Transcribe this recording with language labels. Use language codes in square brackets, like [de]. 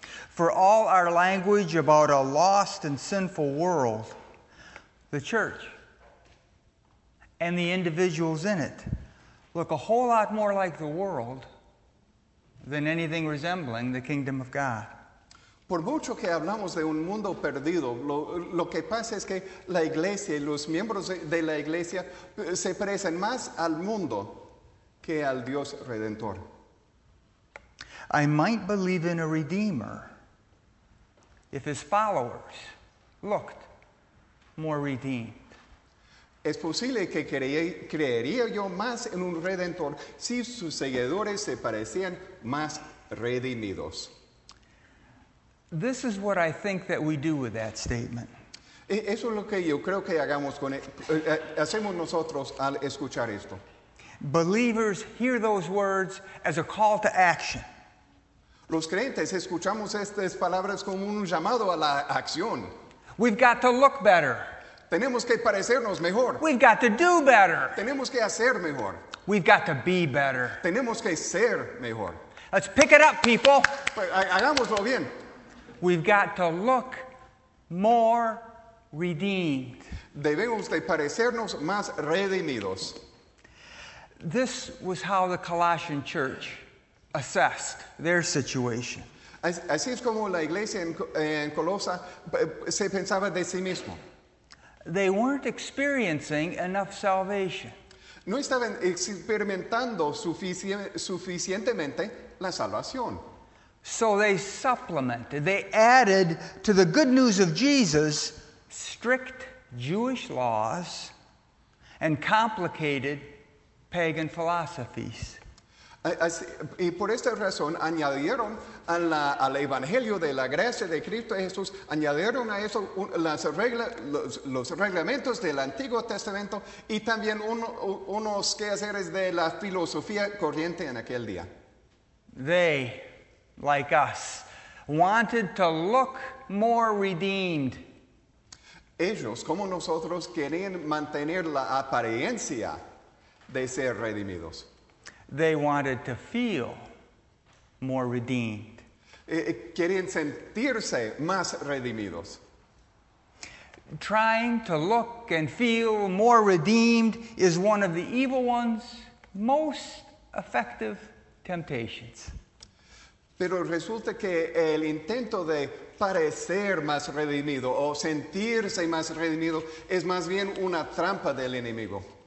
[en] For all our language about a lost and sinful world, the church and the individuals in it look a whole lot more like the world than anything resembling the kingdom of God. [es] Por mucho que hablamos de un mundo perdido, lo que pasa es que la iglesia y los miembros de la iglesia se parecen más al mundo que al Dios Redentor. [en] I might believe in a redeemer if his followers looked more redeemed. [es] Es posible que creería yo más en un redentor si sus seguidores se parecían más redimidos. [en] This is what I think that we do with that statement. [es] Eso es lo que yo creo que hacemos nosotros al escuchar esto. [en] Believers hear those words as a call to action. [es] Los creyentes escuchamos estas palabras como un llamado a la acción. [en] We've got to look better. [es] Tenemos que parecernos mejor. [en] We've got to do better. [es] Tenemos que hacer mejor. [en] We've got to be better. [es] Tenemos que ser mejor. [en] Let's pick it up, people. [es] Hagámoslo bien. [en] We've got to look more redeemed. [es] Debemos de parecernos más redimidos. [en] This was how the Colossian church assessed their situation. [es] Así es como la iglesia en Colosa se pensaba de sí mismo. [en] They weren't experiencing enough salvation. [es] No estaban experimentando suficientemente la salvación. [en] So they supplemented, they added to the good news of Jesus strict Jewish laws and complicated pagan philosophies. [es] Y por esta razón añadieron al evangelio de la gracia de Cristo Jesús, añadieron a eso los reglamentos del Antiguo Testamento y también unos quehaceres de la filosofía corriente en aquel día. [en] They, like us, wanted to look more redeemed. [es] Ellos, como nosotros, querían mantener la apariencia de ser redimidos. [en] They wanted to feel more redeemed. [es] Querían sentirse más redimidos. [en] Trying to look and feel more redeemed is one of the evil one's most effective temptations. [es] Pero resulta que el intento de parecer más redimido o sentirse más redimido es más bien una trampa del enemigo.